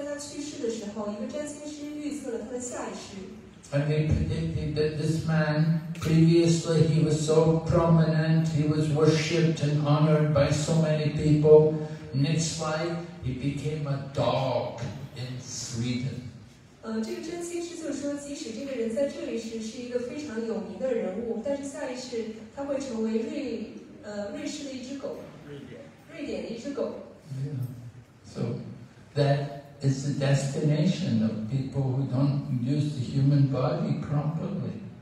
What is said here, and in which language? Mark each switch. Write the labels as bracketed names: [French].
[Chinese] 有一个人，他在一个非常强大的国家，是这个国家伟大的政治领袖。但是在他去世的时候，一个占星师预测了他的下一世。 [English] And they predicted that this man, previously he was so prominent, he was worshipped and honored by so many people. Next life, he became a dog in Sweden. [Chinese] 这个占星师就说，即使这个人在这里时是一个非常有名的人物，但是下一世他会成为瑞士的一只狗，瑞典的一只狗。 [English] Yeah. So that is the destination of people who don't use the human body properly.